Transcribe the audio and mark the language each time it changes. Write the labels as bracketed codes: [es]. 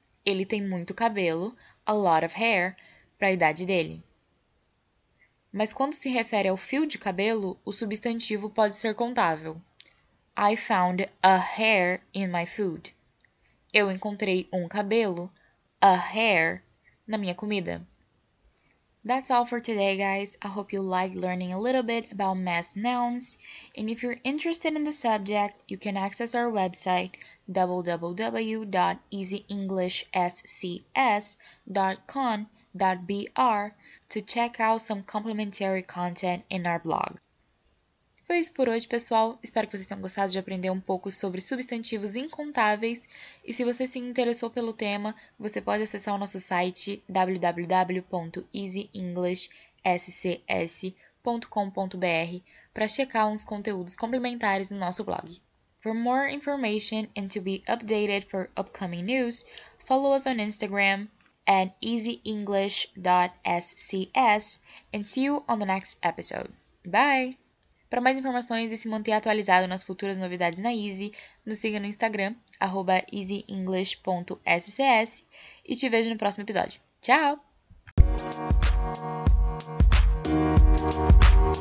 [pt] Ele tem muito cabelo, [en] a lot of hair, [pt] para a idade dele. Mas quando se refere ao fio de cabelo, o substantivo pode ser contável. [en] I found a hair in my food. [pt] Eu encontrei cabelo, [en] a hair, [pt] na minha comida. [en] That's all for today, guys. I hope you liked learning a little bit about masked nouns. And if you're interested in the subject, you can access our website, www.easyenglishscs.com.br, to check out some complimentary content in our blog. [pt] Foi isso por hoje, pessoal. Espero que vocês tenham gostado de aprender pouco sobre substantivos incontáveis. E se você se interessou pelo tema, você pode acessar o nosso site www.easyenglishscs.com.br para checar uns conteúdos complementares no nosso blog. [en] For more information and to be updated for upcoming news, follow us on Instagram at easyenglish.scs and see you on the next episode. Bye! [pt] Para mais informações e se manter atualizado nas futuras novidades na Easy, nos siga no Instagram, @easyenglish.scs, e te vejo no próximo episódio. Tchau!